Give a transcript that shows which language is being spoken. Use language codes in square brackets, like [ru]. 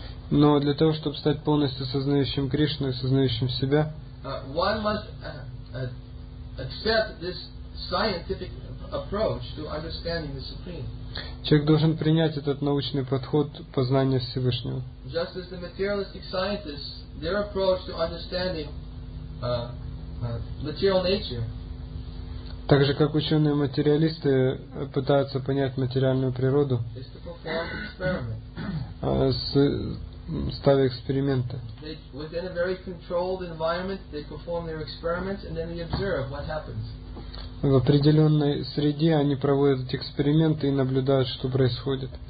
[ru] Но для того, чтобы стать полностью сознающим Кришну и сознающим себя, [en] one must accept this scientific approach to understanding the Supreme. [ru] Человек должен принять этот научный подход познания Всевышнего. [en] Just as the materialistic scientists, their approach to understanding material nature. [ru] Так же, как ученые-материалисты пытаются понять материальную природу, [en] is to perform experiments. [ru] Ставя эксперименты. [en] Within a very controlled environment, they perform their experiments and then they observe what happens. [ru] В определенной среде они проводят эти эксперименты и наблюдают, что происходит.